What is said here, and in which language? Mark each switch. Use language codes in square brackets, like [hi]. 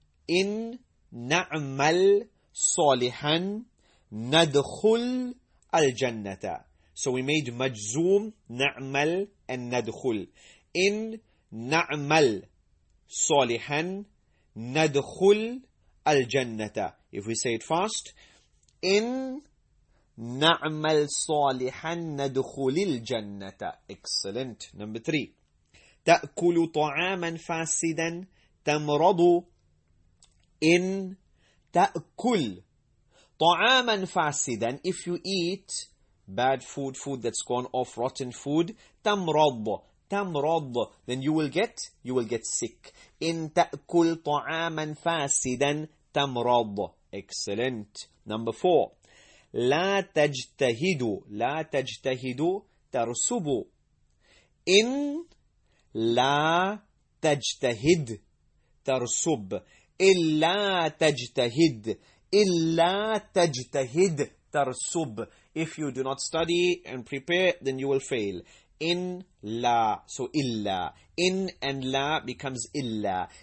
[ar] إن نعمل صالحا ندخل الجنة. [en] So we made [ar] مجزوم نعمل [en] and ندخل. [ar] إن نعمل صالحا ندخل الجنة. [en] If we say it fast, [ar] إن نعمل صالحا ندخل الجنة. [en] Excellent. Number three. [ar] تأكل طعاما فاسدا تمرض. إن تأكل طعاما فاسدا. [en] If you eat bad food, food that's gone off, rotten food, تمرض. تمرض. Then you will get sick. [ar] إن تأكل طعاما فاسدا تمرض. [en] Excellent. Number four. [ar] لا تجتهد. لا تجتهد ترسب. إن لا تجتهد ترسب. إلا تجتهد. إلا تجتهد ترسب. [en] If you do not study and prepare, then you will fail. [ar] إن لا. So إلا. إن and لا becomes إلا.